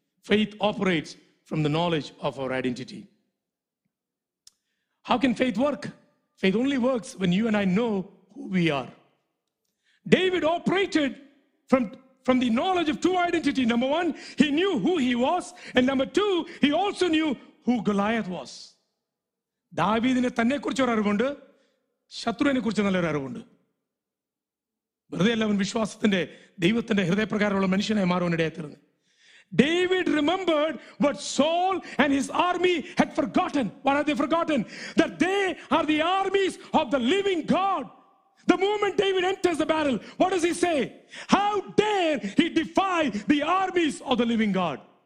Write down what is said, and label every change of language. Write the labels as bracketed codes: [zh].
[en] Faith operates from the knowledge of our identity. How can faith work? Faith only works when you and I know who we are. David operated from the knowledge of two identities. Number one, he knew who he was. And number two, he also knew who Goliath was. [ml] ദാവീദിനെ തന്നെ കുറിച്ച് ഒരു അറിവുണ്ട്, ശത്രുവിനെ കുറിച്ച് നല്ലൊരു അറിവുണ്ട്. വെറുതെ അല്ല അവൻ വിശ്വാസത്തിന്റെ ദൈവത്തിന്റെ ഹൃദയപ്രകാരമുള്ള മനുഷ്യനായി മാറുവാനിടയാത്തിരുന്നു. [en] David remembered what Saul and his army had forgotten. What had they forgotten? That they are the armies of the living God. The moment David enters the battle, what does he say? How dare he defy the armies of the living God?